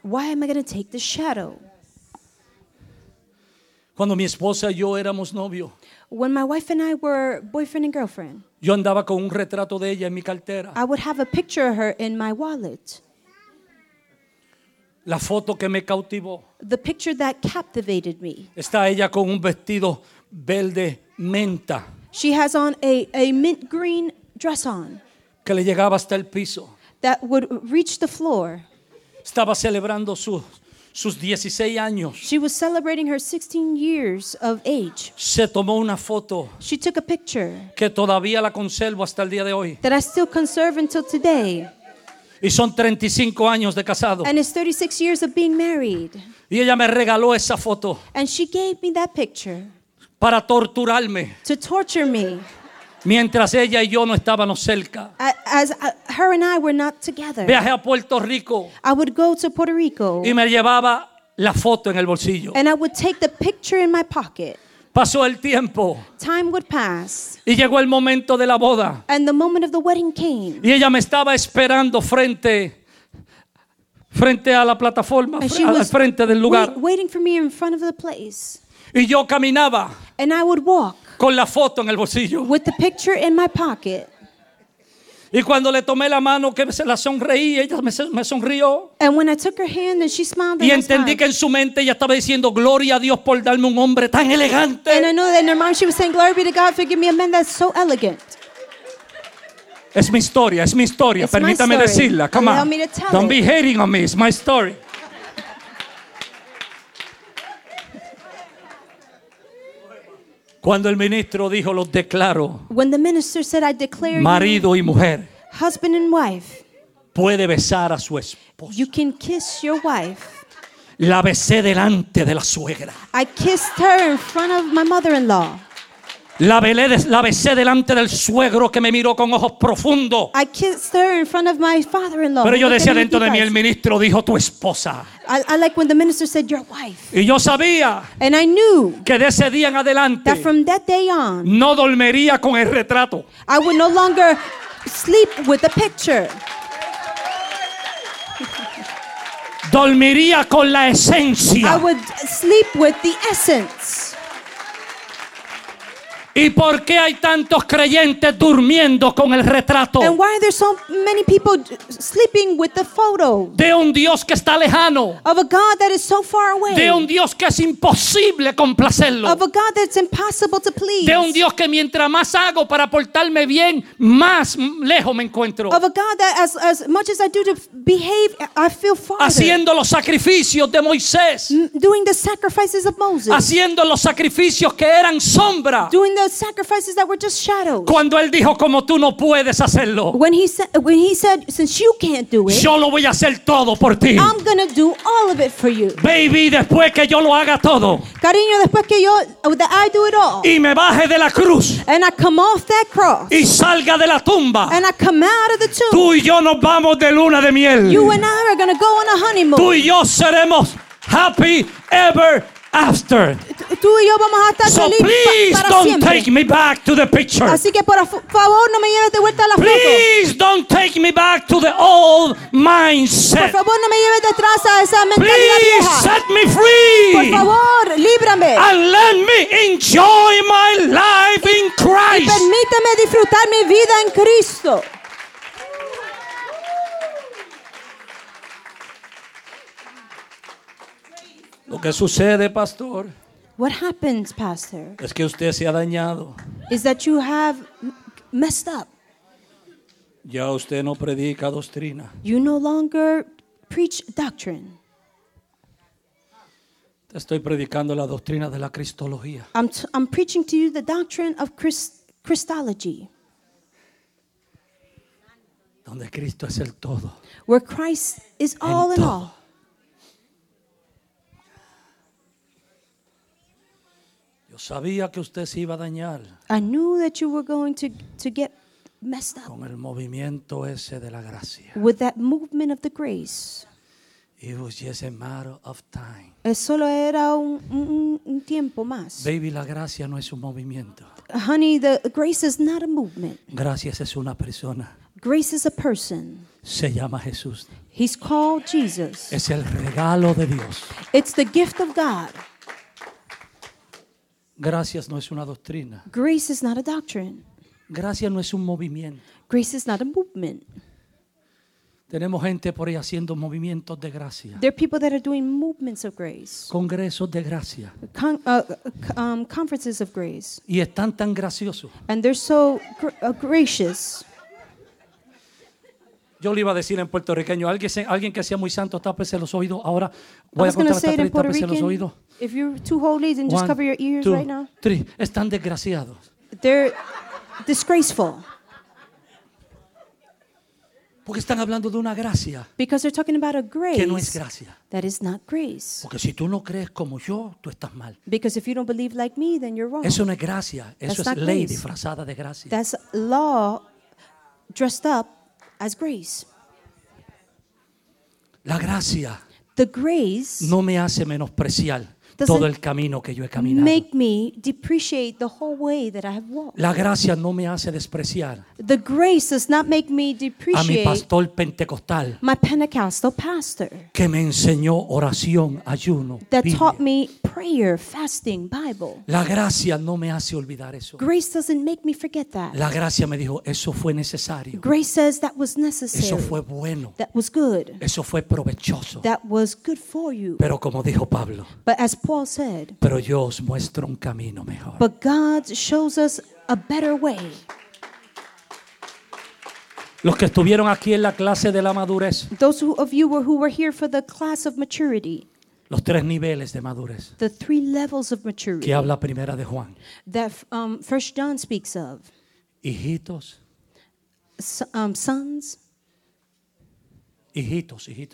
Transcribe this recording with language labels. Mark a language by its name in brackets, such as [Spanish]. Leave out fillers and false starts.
[English] Why am I going to take the shadow? [Spanish] Cuando mi esposa y yo éramos novios. [English] When my wife and I were boyfriend and girlfriend. [Spanish] Yo andaba con un retrato de ella en mi cartera. [English] I would have a picture of her in my wallet. [Spanish] La foto que me cautivó. [English] The picture that captivated me. [Spanish] Está ella con un vestido verde menta. [English] She has on a mint green dress on. [Spanish] Que le llegaba hasta el piso. [English] That would reach the floor. [Spanish] Estaba celebrando sus 16 años. [English] She was celebrating her 16 years of age. [Spanish] Se tomó una foto. [English] She took a picture. [Spanish] Que todavía la conservo hasta el día de hoy. [English] That I still conserve until today. [Spanish] Y son 35 años de casado. [English] And it's 36 years of being married. [Spanish] Y ella me regaló esa foto. [English] And she gave me that picture. [Spanish] Para torturarme. [English] To torture me. [Spanish] Mientras ella y yo no estábamos cerca. [English] As her and I were not together. [Spanish] Viajé a Puerto Rico. [English] I would go to Puerto Rico. [Spanish] Y me llevaba la foto en el bolsillo. [English] And I would take the picture in my pocket. [Spanish] Pasó el tiempo. [English] Time would pass. [Spanish] Y llegó el momento de la boda. [English] And the moment of the wedding came. [Spanish] Y ella me estaba esperando frente a la plataforma, al frente del lugar. [English] Waiting for me in front of the place. [Spanish] Y yo caminaba. [English] And I would walk. [Spanish] Con la foto en el bolsillo. [English] With the picture in my pocket. [Spanish] Y cuando le tomé la mano que se la sonreí, ella me sonrió. [English] And when I took her hand and she smiled. [Spanish] Y entendí que en su mente ella estaba diciendo gloria a Dios por darme un hombre tan elegante. [English] And I know that in her mind she was saying glory be to God for giving me a man that's so elegant. [Spanish] Es mi historia, es mi historia. [English] It's [Spanish] permítame [English] my story. [Spanish] Decirla. [English] Come allow on. Me to tell don't it. Be hating on me. It's my story. [Spanish] Cuando el ministro dijo, los declaro. [English] When the minister said, I declare [Spanish] marido [English] you, [Spanish] y mujer. [English] Husband and wife. [Spanish] Puede besar a su esposa. [English] You can kiss your wife. [Spanish] La besé delante de la suegra. [English] I kissed her in front of my mother-in-law. [Spanish] La besé delante del suegro que me miró con ojos profundos. [English] I kissed her in front of my father-in-law. [Spanish] Pero yo decía dentro de mí, el ministro dijo tu esposa. [English] I like when the minister said your wife. [Spanish] Y yo sabía. [English] And I knew. [Spanish] Que de ese día en adelante. [English] That from that day on. [Spanish] No dormiría con el retrato. [English] I would no longer sleep with the picture. [Spanish] Dormiría con la esencia. [English] I would sleep with the essence. [Spanish] ¿Y por qué hay tantos creyentes durmiendo con el retrato? [English] And why are there so many people sleeping with the photo? [Spanish] De un Dios que está lejano. [English] Of a God that is so far away. [Spanish] De un Dios que es imposible complacerlo. [English] Of a God that's impossible to please. [Spanish] De un Dios que mientras más hago para portarme bien, más lejos me encuentro. [English] Of a God that as much as I do to behave, I feel farther. [Spanish] Haciendo los sacrificios de Moisés. [English] Doing the sacrifices of Moses. [Spanish] Haciendo los sacrificios que eran sombra. [English] The sacrifices that were just shadows. [Spanish] Cuando él dijo, como tú no puedes hacerlo. [English] When he said, since you can't do it, [Spanish] yo lo voy a hacer todo por ti. [English] I'm gonna do all of it for you. [Spanish] Baby, después que yo lo haga todo. Cariño, después que yo, [English] that I do it all. [Spanish] Y me baje de la cruz. [English] And I come off that cross. [Spanish] Y salga de la tumba. [English] And I come out of the tomb. [Spanish] Tú y yo nos vamos de luna de miel. [English] You and I are gonna go on a honeymoon. [Spanish] Tú y yo seremos [English] happy ever after. [Spanish] Tú y yo vamos a estar [English] so please don't [Spanish] siempre. [English] Take me back to the picture. [Spanish] Así que por favor no me lleves de vuelta a la [English] please [Spanish] foto. [English] Please don't take me back to the old mindset. [Spanish] Por favor no me lleves detrás a esa mentalidad [English] please [Spanish] vieja. [English] Set me free. [Spanish] Por favor, líbrame. [English] And let me enjoy my life in Christ. [Spanish] Y permíteme disfrutar mi vida en Cristo. Lo que sucede, pastor. [English] What happens, pastor? [Spanish] Es que usted se ha dañado. [English] Is that you have messed up? [Spanish] Ya usted no predica doctrina. [English] You no longer preach doctrine. [Spanish] Te estoy predicando la doctrina de la cristología. [English] I'm preaching to you the doctrine of Christology. [Spanish] Donde Cristo es el todo. [English] Where Christ is all in all. [Spanish] Sabía que usted se iba a dañar. [English] I knew that you were going to get messed up. [Spanish] Con el movimiento ese de la gracia. [English] With that movement of the grace. It was just a matter of time. [Spanish] Es solo era un tiempo más. Baby, la gracia no es un movimiento. [English] Honey, the grace is not a movement. [Spanish] Gracia es una persona. [English] Grace is a person. [Spanish] Se llama Jesús. [English] He's called Jesus. [Spanish] Es el regalo de Dios. [English] It's the gift of God. [Spanish] Gracias no es una doctrina. [English] Grace is not a doctrine. [Spanish] Gracia no es un movimiento. [English] Grace is not a movement. [Spanish] Tenemos gente por ahí haciendo movimientos de gracia. [English] There are people that are doing movements of grace. [Spanish] Congresos de gracia. [English] Conferences of grace. [Spanish] Y están tan graciosos. [English] And they're so gracious. [Spanish] Yo le iba a decir en puertorriqueño, alguien que sea muy santo, tápese los oídos. Ahora voy a contar hasta tres, tápese los oídos. [English] If you're too holy, then just one, cover your ears two, right now. Three. [Spanish] Están desgraciados. [English] They're disgraceful. [Spanish] Porque están hablando de una gracia. [English] Because they're talking about a grace. [Spanish] Que no es gracia. [English] That is not grace. [Spanish] Porque si tú no crees como yo, tú estás mal. [English] Because if you don't believe like me, then you're wrong. [Spanish] Eso no es gracia. Eso es ley disfrazada de gracia. [English] That's law dressed up as grace. [Spanish] La gracia. [English] The grace. [Spanish] No me hace menospreciar todo el camino que yo he caminado. [English] Make me depreciate the whole way that I have walked. [Spanish] La gracia no me hace despreciar. [English] The grace does not make me depreciate. [Spanish] A mi pastor pentecostal. [English] My Pentecostal pastor. [Spanish] Que me enseñó oración, ayuno. [English] That [Spanish] Biblia. [English] Taught me prayer, fasting, Bible. [Spanish] La gracia no me hace olvidar eso. [English] Grace doesn't make me forget that. [Spanish] La gracia me dijo, eso fue necesario. [English] Grace says that was necessary. [Spanish] Eso fue bueno. [English] That was good. [Spanish] Eso fue provechoso. [English] That was good for you. [Spanish] Pero como dijo Pablo. [English] But as Paul said, [Spanish] pero yo os muestro un camino mejor. [English] But God shows us a better way. [Spanish] Los que estuvieron aquí en la clase de la madurez. [English] Those of you who were here for the class of maturity. [Spanish] Los tres niveles de madurez. [English] The three levels of maturity. [Spanish] Que habla primera de Juan. [English] That First John speaks of. [Spanish] Hijitos. [English] Sons. [Spanish] Hijitos.